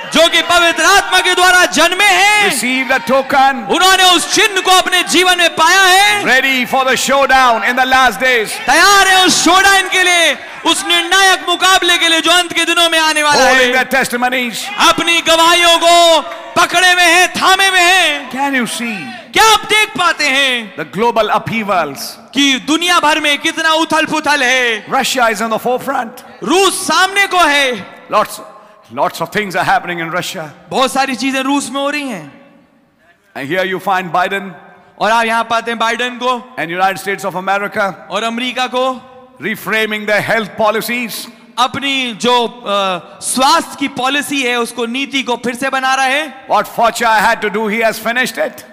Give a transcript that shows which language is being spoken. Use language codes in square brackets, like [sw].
[hi] जो कि पवित्र आत्मा के द्वारा जन्मे हैं. [en] Receive the token. [hi] उन्होंने उस चिन्ह को अपने जीवन में पाया है. [en] Ready for the showdown in the last days. [hi] तैयार है उस शोडाउन के लिए, उस निर्णायक मुकाबले के लिए जो अंत के दिनों में आने वाला [en] है. Holding the testimonies. [hi] अपनी गवाहियों को पकड़े में है, थामे में है. [en] Can you see? [hi] क्या आप देख पाते हैं? [en] The global upheavals. [hi] कि दुनिया भर में कितना उथल पुथल है. [en] Russia is on the forefront. [hi] रूस सामने को है. [en] Lots of things are happening in Russia. [hi] बहुत सारी चीजें रूस में हो रही हैं. [en] And here you find Biden. [hi] और आप यहाँ पाते हैं बाइडेन को. [en] And United States of America. [hi] और अमेरिका को. [en] Reframing their health policies. [hi] अपनी जो स्वास्थ्य की पॉलिसी है उसको, नीति को फिर से बना रहा है. [en] What Fauci had to do, he has finished it.